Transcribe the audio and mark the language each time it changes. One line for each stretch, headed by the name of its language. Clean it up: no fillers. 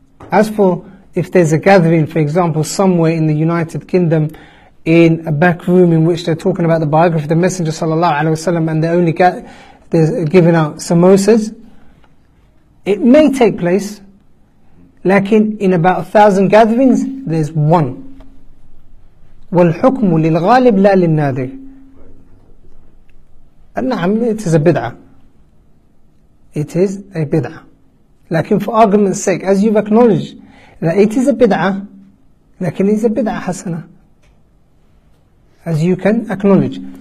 English: As for if there's a gathering, for example, somewhere in the United Kingdom, in a back room in which they're talking about the biography of the Messenger sallallahu alaihi wasallam, and they're giving out samosas, it may take place, lakin in about 1,000 gatherings, there's one.
Arabic: والحكم للغالب لا للنادر.
English: نعم, it is a bid'ah. It is a bid'ah. Lakin for argument's sake, as you've acknowledged that it is a bid'ah, lakin it is a bid'ah hasana, as you can acknowledge.